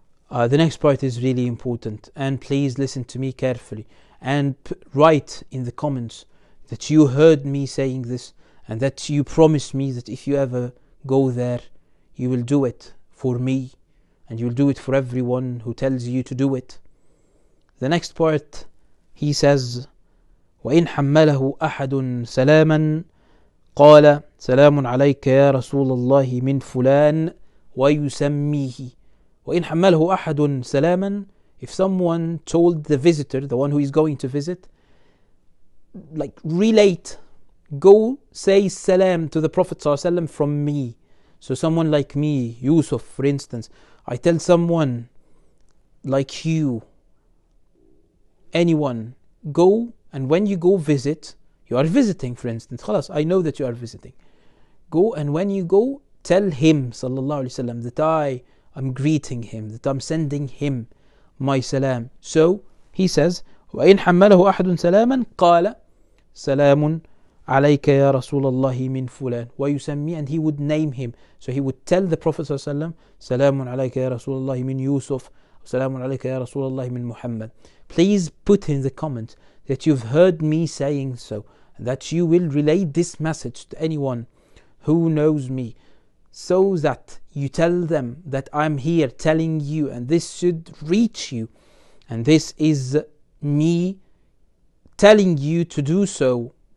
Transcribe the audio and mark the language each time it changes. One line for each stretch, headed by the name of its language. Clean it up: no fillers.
English: The next part is really important, and please listen to me carefully and write in the comments that you heard me saying this, and that you promised me that if you ever go there, you will do it for me and you will do it for everyone who tells you to do it. The next part, he says,
Arabic: وَإِنْ حَمَّلَهُ أَحَدٌ سَلَامًا قال سلام عليك يا رسول الله من فلان ويسميه وإن حمله أحد سلاما.
English: If someone told the visitor, the one who is going to visit, like relate, go say salam to the Prophet صلى الله عليه وسلم from me. So someone like me, Yusuf, for instance, I tell someone like you, anyone, go, and when you go visit, you are visiting, for instance, خلاص, I know that you are visiting. Go, and when you go, tell him, sallallahu alayhi wa sallam, that I am greeting him, that I'm sending him my salam. So he says,
Arabic: وَإِنْ حَمَّلَهُ أَحَدٌ سَلَامًا قَالَ سَلَامٌ عَلَيْكَ يَا رَسُولَ اللَّهِ مِنْ فُلَانٍ وَيُسَمِّي,
English: and he would name him. So he would tell the Prophet,
Arabic: sallallahu alayhi wa sallam, سَلَامٌ عَلَيْكَ يَا رَسُولَ اللَّهِ مِنْ يُوسُفَ سَلَامٌ عَلَيْكَ يَا رَسُولَ اللَّهِ مِنْ مُحَمَّدٍ.
English: Please put in the comments that you've heard me saying so, and that you will relay this message to anyone who knows me, so that you tell them that I'm here telling you, and this should reach you, and this is me telling you to do so.